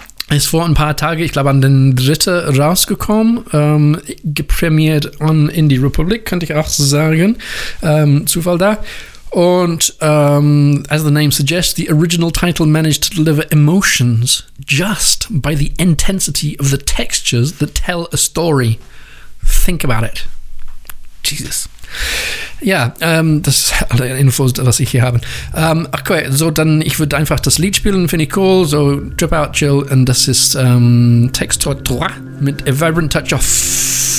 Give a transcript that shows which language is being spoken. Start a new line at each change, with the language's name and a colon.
German: Ist vor ein paar Tagen, ich glaube, an den 3. rausgekommen, geprämiert on Indie Republic, könnte ich auch sagen, Zufall da. Und
English: as the name suggests, the original title managed to deliver emotions just by the intensity of the textures that tell a story. Think about it. Jesus.
German: Ja, das sind alle Infos, was ich hier habe. Okay, so dann, ich würde einfach das Lied spielen, finde ich cool, so Trip Out Chill, und das ist Texture 3 mit A Vibrant Touch of...